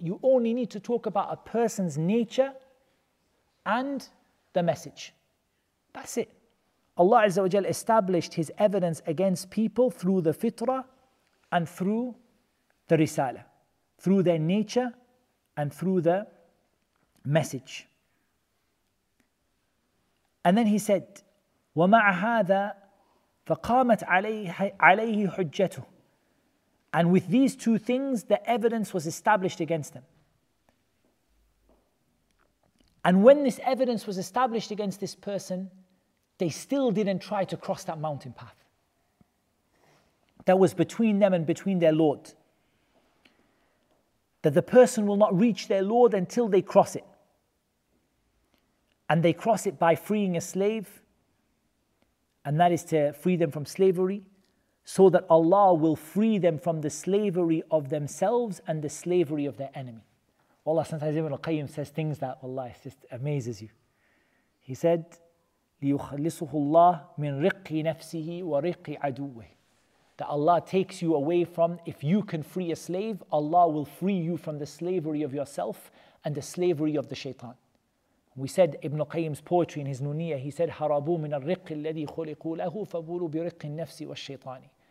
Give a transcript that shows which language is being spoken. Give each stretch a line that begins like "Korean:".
English: You only need to talk about a person's nature and the message. That's it. Allah Azza wa Jal established His evidence against people through the fitrah and through the risalah, through their nature and through the message. And then he said,
Arabic: وَمَعَ هَذَا فَقَامَتْ عَلَيْهِ حُجَّتُهُ.
English: And with these two things, the evidence was established against them. And when this evidence was established against this person, they still didn't try to cross that mountain path that was between them and between their Lord. That the person will not reach their Lord until they cross it. And they cross it by freeing a slave, and that is to free them from slavery, so that Allah will free them from the slavery of themselves and the slavery of their enemy. Allah, sometimes Ibn al-Qayyim says things that, Allah, just amazes you. He said,
Arabic: لِيُخَلِّصُهُ اللَّهُ مِنْ رِقِّ نَفْسِهِ وَرِقِّ عَدُوِّهِ.
English: That Allah takes you away from, if you can free a slave, Allah will free you from the slavery of yourself and the slavery of the shaitan. We said Ibn Qayyim's poetry in his Nuniyah, he said,
Arabic: هَرَبُوا مِنَ الرِّقِّ الَّذِي خُلِقُوا لَهُ فَبُولُوا بِرِقِّ النَّفْسِ وَالشَّيْطَانِ.